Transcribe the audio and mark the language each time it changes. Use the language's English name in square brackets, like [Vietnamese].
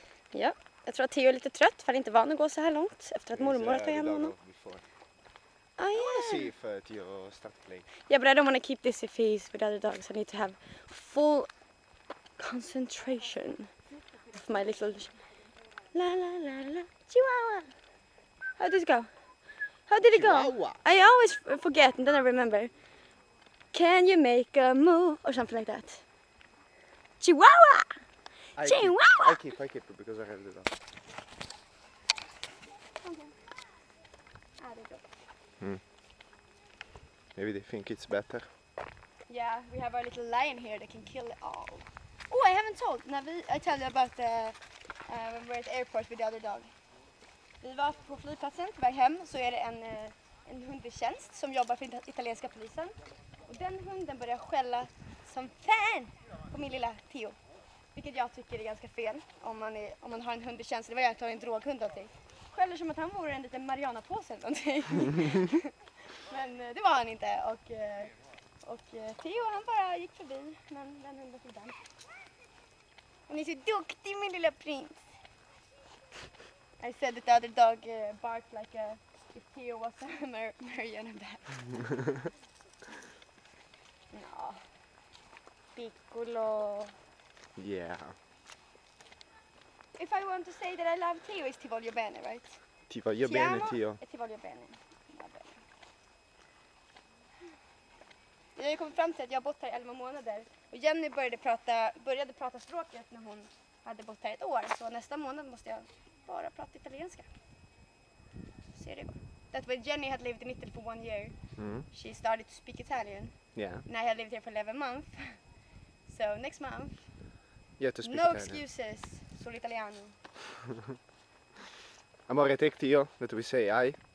[Swedish] Ja, jag tror att Theo är lite trött för han är inte van att gå så här långt efter att mormor har tagit hem honom. [English] I want to see if Theo starts playing. Yeah, but I don't want to keep this if he's with other dogs. I need to have full concentration of my little la la la la chihuahua. How did it go? How did it go? Chihuahua. I always forget and then I remember. Can you make a move or something like that? Chihuahua! Chihuahua! I keep because I have the dog. Okay. There you go. Maybe they think it's better. Yeah, we have our little lion here that can kill it all. Oh, I haven't told. I tell you about the We were at the airport with the other dog. [Swedish] Vi var på flygplatsen på väg hem, så är det en hundtjänst som jobbar för italienska polisen. Och den hunden börjar skälla som fan på min lilla Theo. Vilket jag tycker är ganska fel om man har en hundtjänst. Det var jag att ha en droghund någonting. Skäller som att han vore en liten marijuanapåse eller någonting. Men det var han inte. Och Theo han bara gick förbi, men den hunden fick den. Och ni är så duktig min lilla prins. [English] I said that the other dog barked like a if Theo was a marionette. No. Piccolo. Yeah. If I want to say that I love Theo, it's [Italian] ti voglio bene, [English] right? [Italian] Ti voglio bene, Theo. Ti voglio bene. Va bene. [Swedish] Jag har ju kommit fram till att jag har bott här 11 månader. Och Jenny började prata språket när hon hade bott här ett år. Så nästa månad måste jag bara prata italienska. Se det går. [English] That when Jenny had lived in Italy for 1 year, she started to speak Italian. Yeah. And I had lived here for 11 months. So next month, you have to speak no Italian. [Italian] Excuses, solo italiano. [English] Amore, take Tio, that we say hi.